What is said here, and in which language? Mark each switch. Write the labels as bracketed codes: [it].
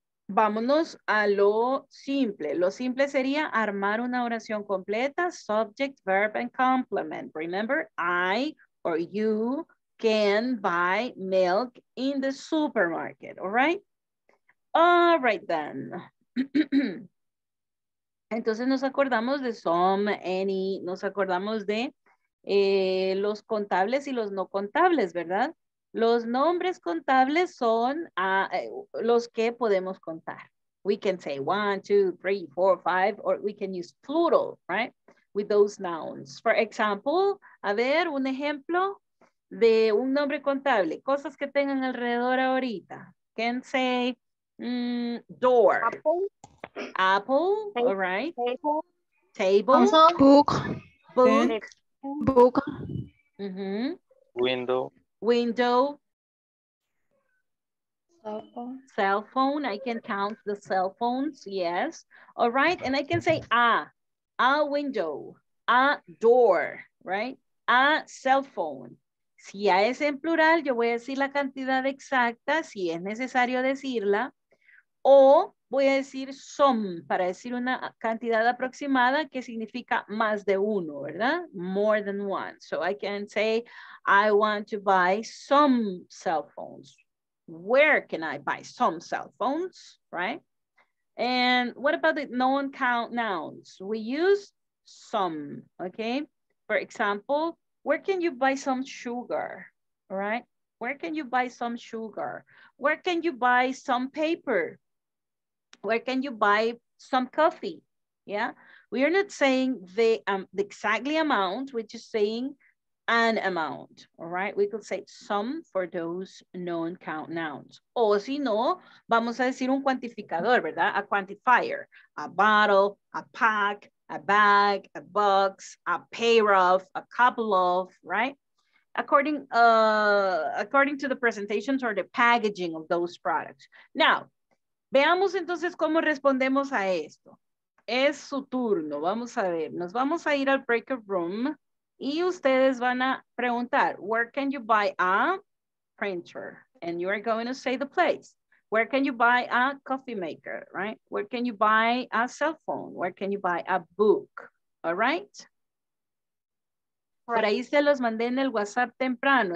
[es] Vámonos a lo simple. Lo simple sería armar una oración completa, [en] subject, verb, and complement. Remember, I or you can buy milk in the supermarket, all right? All right then. [es] Entonces nos acordamos de some, any, nos acordamos de los contables y los no contables, ¿verdad? Los nombres contables son los que podemos contar. [en] We can say 1, 2, 3, 4, 5, or we can use plural, right? With those nouns. For example, [es] a ver, un ejemplo de un nombre contable. Cosas que tengan alrededor ahorita. [en] Can say door. Apple, all right. Table. Book. Mm-hmm. Window. Window. Cell phone. I can count the cell phones. Yes. All right. And I can say a window, a door, right? A cell phone. [es] Si a es en plural, yo voy a decir la cantidad exacta, si es necesario decirla. O voy a decir some, para decir una cantidad aproximada que significa más de uno, ¿verdad? [en] More than one. So I can say, I want to buy some cell phones. Where can I buy some cell phones, right? And what about the non-count nouns? We use some, okay? For example, where can you buy some sugar, right? Where can you buy some sugar? Where can you buy some paper? Where can you buy some coffee? Yeah, we are not saying the exactly amount, we're just saying an amount, all right? We could say some for those known count nouns. [es] O si no, vamos a decir un cuantificador, ¿verdad? [en] A quantifier, a bottle, a pack, a bag, a box, a pair of, a couple of, right? According to the presentations or the packaging of those products. [es] Now, veamos entonces cómo respondemos a esto. Es su turno. Vamos a ver. Nos vamos a ir al breakout room y ustedes van a preguntar, [en] where can you buy a printer? And you are going to say the place. Where can you buy a coffee maker, right? Where can you buy a cell phone? Where can you buy a book, all right? [es] Por ahí se los mandé en el WhatsApp temprano.